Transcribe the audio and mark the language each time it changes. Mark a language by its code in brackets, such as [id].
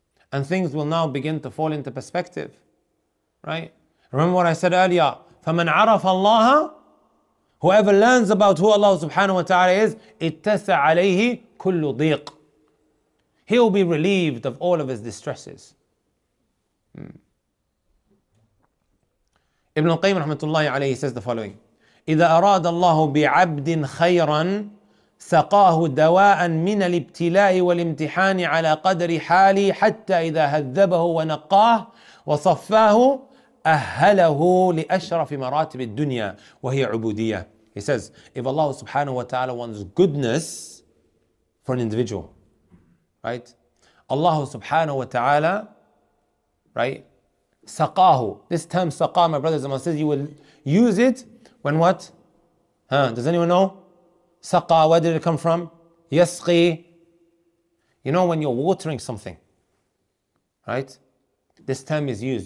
[en] And things will now begin to fall into perspective, right? Remember what I said earlier, [ar] فَمَنْ عَرَفَ اللَّهَ, [en] whoever learns about who Allah subhanahu wa ta'ala is, [ar] اِتَّسَ عَلَيْهِ كُلُّ ضِيقٍ, [en] he will be relieved of all of his distresses. Ibn al-Qayyim rahmatullahi alayhi says the following, [ar] إِذَا أَرَادَ اللَّهُ بِعَبْدٍ خَيْرًا سَقَاهُ دَوَاءً مِنَ الْإِبْتِلَاءِ وَالْإِمْتِحَانِ عَلَى قَدْرِ حَالِهِ حَتَّى إِذَا هَذَّبَهُ وَنَقَّاهُ وَصَفَّاهُ أَهَّلَهُ لِأَشْرَفِ مَرَاتِبِ الدُّنْيَا وَهِيَ عُبُودِيَّةِ. [en] He says, if Allah subhanahu wa ta'ala wants goodness for an individual, right? Allah subhanahu wa ta'ala, right? سَقَاهُ. This term سَقَا, my brothers and my sisters, you will use it when what? Huh? Does anyone know? Saqa, where did it come from? Yasqi. You know when you're watering something, right? This term is used.